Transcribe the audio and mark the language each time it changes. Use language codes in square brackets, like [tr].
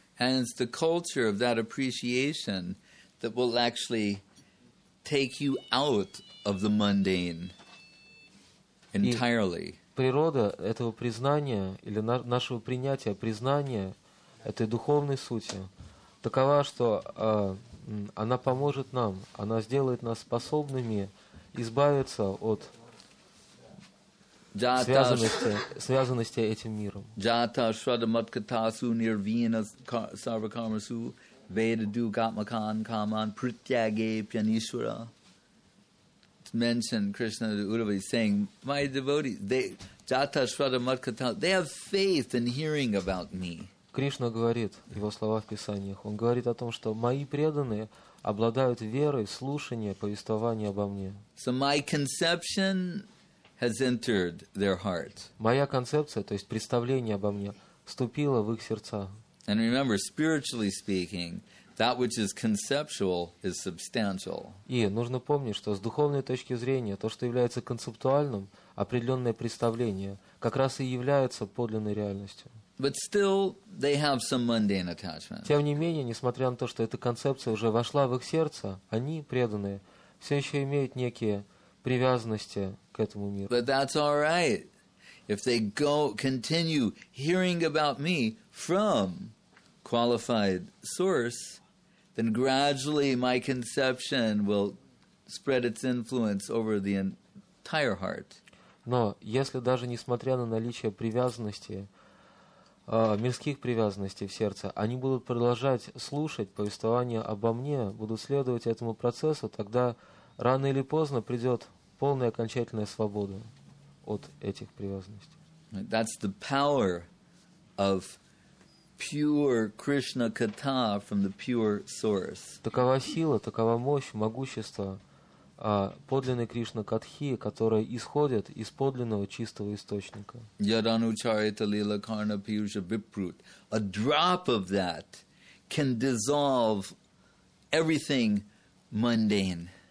[en] And it's the culture of that appreciation that will actually take you out of the mundane entirely. [ru] Природа этого признания или нашего принятия признания этой духовной сути такова, что она поможет нам, она сделает нас способными избавиться от связанности этим миром. [sa] Jata shraddha matkatasu nirvina sarvakarmasu veda du gatmakan kaman prityage pyanishwara. [en] mentioned Krishna to Uddhava. He's saying, my devotees, they, [sa] jata shrada matkata, [en] they have faith in hearing about me. [ru] Кришна говорит, его слова в Писаниях, он говорит о том, что мои преданные обладают верой, слушание, повествование обо мне. [en] So my conception has entered their heart. [ru] Моя концепция, то есть представление обо мне, вступило в их сердца. [en] And remember, spiritually speaking, that which is conceptual is substantial. [ru] И нужно помнить, что с духовной точки зрения, то, что является концептуальным, определенное представление, как раз и является подлинной реальностью. [en] But still, they have some mundane attachment. [ru] Тем не менее, несмотря на то, что эта концепция уже вошла в их сердце, они преданные все еще имеют некие привязанности к этому миру. [en] But that's all right if they go continue hearing about me from qualified source, then gradually my conception will spread its influence over the entire heart. [ru] Но если даже несмотря на наличие привязанности мирских привязанностей в сердце, они будут продолжать слушать повествование обо мне, будут следовать этому процессу, тогда рано или поздно придет полная окончательная свобода от этих привязанностей. [en] That's the power of pure Krishna Katha from the pure source. [ru] Такова сила, такова мощь, могущество подлинной Кришна Катхи, которая исходит из подлинного чистого источника. [sa] Yadanucharita lila karna piyusha viprut. [en] A drop of that can dissolve everything mundane.